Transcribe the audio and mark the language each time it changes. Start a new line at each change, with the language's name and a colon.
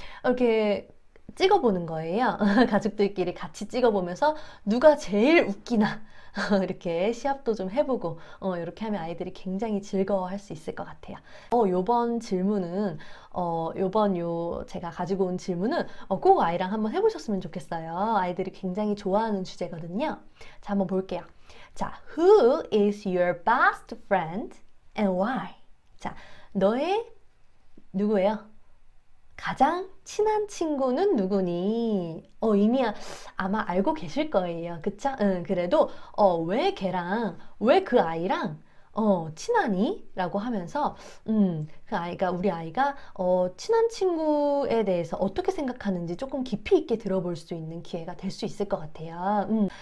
Korean: 이렇게 찍어보는 거예요. 가족들끼리 같이 찍어보면서 누가 제일 웃기나 이렇게 시합도 좀 해보고, 이렇게 하면 아이들이 굉장히 즐거워할 수 있을 것 같아요. 요번 질문은 요번 요 제가 가지고 온 질문은 꼭 아이랑 한번 해보셨으면 좋겠어요. 아이들이 굉장히 좋아하는 주제거든요. 자, 한번 볼게요.
English: 자, Who is your best friend and why?
Korean: 자, 너의 누구예요? 가장 친한 친구는 누구니? 이미 아마 알고 계실 거예요. 그쵸? 그래도 왜 걔랑 왜그 아이랑 친하니? 라고 하면서 그 아이가 우리 아이가 친한 친구에 대해서 어떻게 생각하는지 조금 깊이 있게 들어볼 수 있는 기회가 될수 있을 것 같아요.